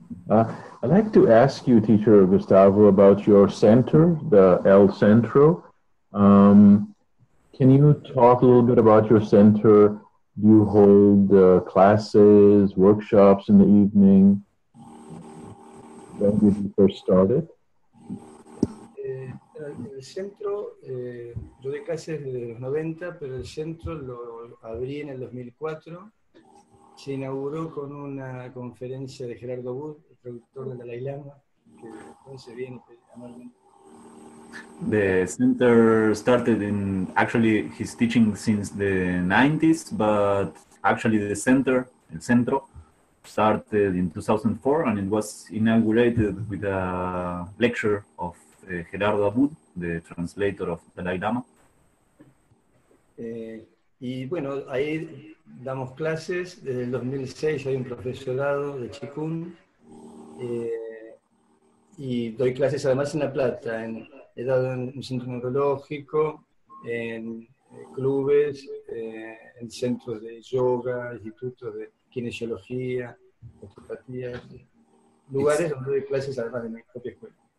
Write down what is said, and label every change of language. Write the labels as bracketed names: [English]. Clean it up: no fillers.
[English] I'd like to ask you, Teacher Gustavo, about your center, the El Centro. Can you talk a little bit about your center? Do you hold classes, workshops in the evening? When did you first start it? [Spanish] El centro, yo doy clases desde los 90, pero el centro lo abrí en el 2004. Se inauguró con una conferencia de Gerardo Wood, el productor del Dalai Lama, que entonces viene amablemente. [English] The center started in, actually, he's teaching since the 90s, but actually the center, El Centro, started in 2004, and it was inaugurated with a lecture of Gerardo Abud, the translator of Dalai Lama. [Spanish] Y bueno, ahí damos clases. Desde el 2006 hay un profesorado de Qigong, y doy clases además en La Plata, he dado en un centro neurológico, en clubes, en centros de yoga, institutos de kinesiología, osteopatía, lugares donde doy clases además de mi propia escuela.